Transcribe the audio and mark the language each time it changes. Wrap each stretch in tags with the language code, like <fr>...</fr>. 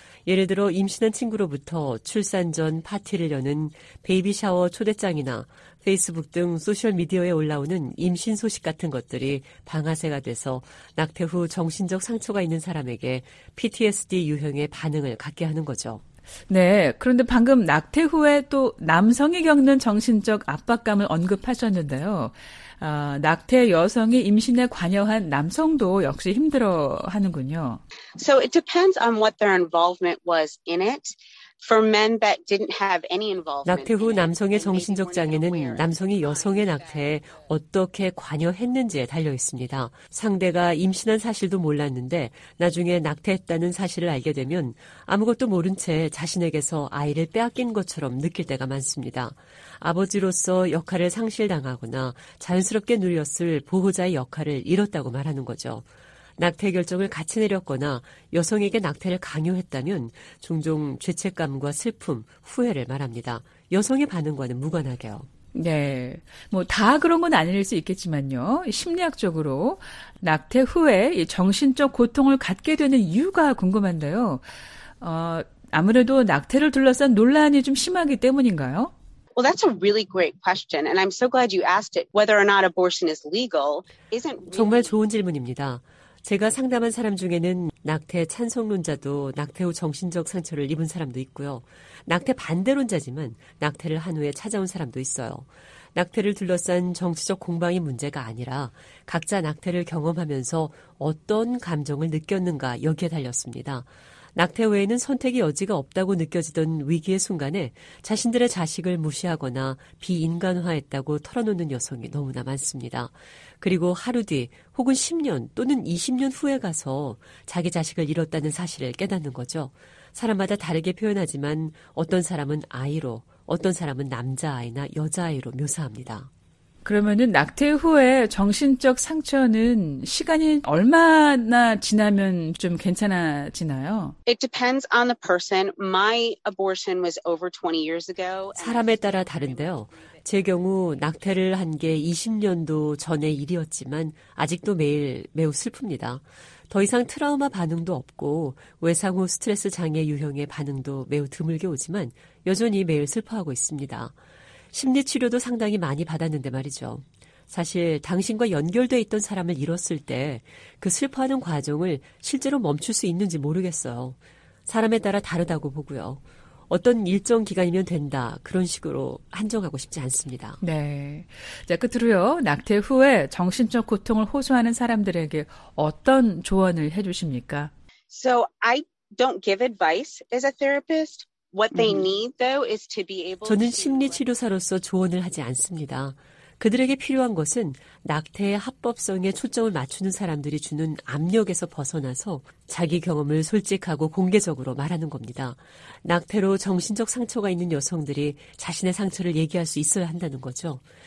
<ko>예를 들어 임신한 친구로부터 출산 전 파티를 여는 베이비 샤워 초대장이나 페이스북 등 소셜미디어에 올라오는 임신 소식 같은 것들이 방아쇠가 돼서 낙태 후 정신적 상처가 있는 사람에게 PTSD 유형의 반응을 갖게 하는 거죠. 네. 그런데 방금 낙태 후에 또 남성이 겪는 정신적 압박감을 언급하셨는데요. 낙태 여성이 임신에 관여한 남성도 역시 힘들어 하는군요.</ko> <en>So it depends on what their involvement was in it. For men that didn't have any involvement.</en> <ko>낙태 후 남성의 정신적 장애는 남성이 여성의 낙태에 어떻게 관여했는지에 달려 있습니다. 상대가 임신한 사실도 몰랐는데 나중에 낙태했다는 사실을 알게 되면 아무것도 모른 채 자신에게서 아이를 빼앗긴 것처럼 느낄 때가 많습니다. 아버지로서 역할을 상실당하거나 자연스럽게 누렸을 보호자의 역할을 잃었다고 말하는 거죠. 낙태 결정을 같이 내렸거나 여성에게 낙태를 강요했다면 종종 죄책감과 슬픔, 후회를 말합니다. 여성의 반응과는 무관하게요. 네, 뭐 다 그런 건 아닐 수 있겠지만요. 심리학적으로 낙태 후에 정신적 고통을 갖게 되는 이유가 궁금한데요. 아무래도 낙태를 둘러싼 논란이 좀 심하기 때문인가요?</ko> <en>Well, that's a really great question, and I'm so glad you asked it. Whether or not abortion is legal isn't.</en> <ko>정말 좋은 질문입니다. 제가 상담한 사람 중에는 낙태 찬성론자도 낙태 후 정신적 상처를 입은 사람도 있고요. 낙태 반대론자지만 낙태를 한 후에 찾아온 사람도 있어요. 낙태를 둘러싼 정치적 공방이 문제가 아니라 각자 낙태를 경험하면서 어떤 감정을 느꼈는가 여기에 달렸습니다. 낙태 외에는 선택의 여지가 없다고 느껴지던 위기의 순간에 자신들의 자식을 무시하거나 비인간화했다고 털어놓는 여성이 너무나 많습니다. 그리고 하루 뒤 혹은 10년 또는 20년 후에 가서 자기 자식을 잃었다는 사실을 깨닫는 거죠. 사람마다 다르게 표현하지만 어떤 사람은 아이로, 어떤 사람은 남자아이나 여자아이로 묘사합니다. 그러면은 낙태 후에 정신적 상처는 시간이 얼마나 지나면 좀 괜찮아지나요?</ko> <en>It depends on the person. My abortion was over 20 years ago.</en> <ko>사람에 따라 다른데요. 제 경우 낙태를 한 게 20년도 전의 일이었지만 아직도 매일 매우 슬픕니다. 더 이상 트라우마 반응도 없고 외상 후 스트레스 장애 유형의 반응도 매우 드물게 오지만 여전히 매일 슬퍼하고 있습니다. 심리치료도 상당히 많이 받았는데 말이죠. 사실 당신과 연결돼 있던 사람을 잃었을 때 그 슬퍼하는 과정을 실제로 멈출 수 있는지 모르겠어요. 사람에 따라 다르다고 보고요. 어떤 일정 기간이면 된다 그런 식으로 한정하고 싶지 않습니다. 네. 자, 끝으로요. 낙태 후에 정신적 고통을 호소하는 사람들에게 어떤 조언을 해주십니까?</ko> <en>So I don't give advice as a therapist. What they need though is to be able.</en> <ko>저는 심리치료사로서 조언을 하지 않습니다. 그들에게 필요한 것은 낙태의 합법성에 초점을 맞추는 사람들이 주는 압력에서 벗어나서 자기 경험을 솔직하고 공개적으로 말하는 겁니다. 낙태로 정신적 상처가 있는 여성들이 자신의 상처를 얘기할 수 있어야 한다는 거죠.</ko>